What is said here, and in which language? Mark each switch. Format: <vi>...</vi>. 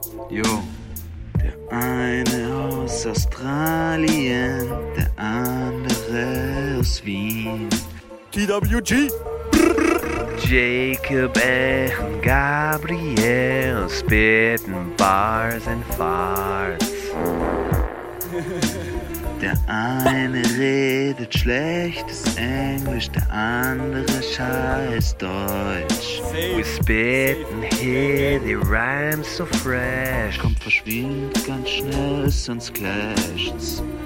<de>Yo, der eine aus Australien, der andere aus Wien. TWG.</de> <en>Jacob and Gabriel spitting bars and farts.</en> <de>Der eine redet schlechtes Englisch, der andere scheiß Deutsch.</de> <en>We spitting here, the rhymes so fresh.</en> <de>Kommt, verschwind ganz schnell, sonst clasht's.</de>